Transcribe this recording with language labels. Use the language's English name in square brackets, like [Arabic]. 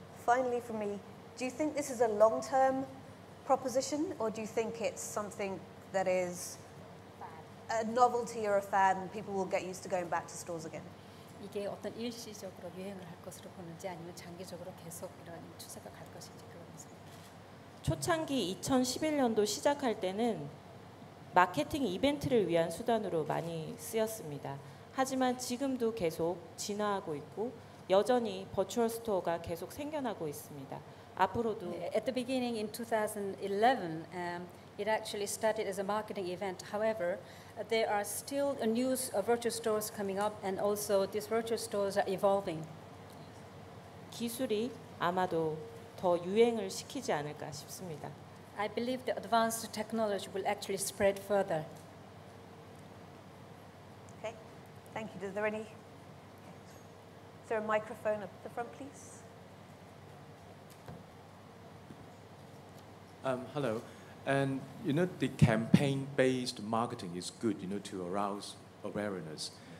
[English] Finally, for me, do you think this is a long-term proposition, or do you think it's something that is a novelty or a fad, and people will get used to going back to stores again? [Korean] 이게 어떤 일시적으로 유행을 할 것으로 보는지 아니면 장기적으로 계속 이런 추세가 갈 것인지 그런 것. 초창기 2011년도 시작할 때는 마케팅 이벤트를 위한 수단으로 많이 쓰였습니다. 하지만 지금도 계속 진화하고 있고 여전히 버추얼 스토어가 계속 생겨나고 있습니다. [English] At the beginning in 2011, it actually started as a marketing event. However, there are still new virtual stores coming up, and also these virtual stores are evolving. [Korean] 기술이 아마도 더 유행을 시키지 않을까 싶습니다. [English] I believe the advanced technology will actually spread further. Okay, thank you. Is there a microphone up the front, please? Hello, and you know the campaign-based marketing is good, you know, to arouse awareness.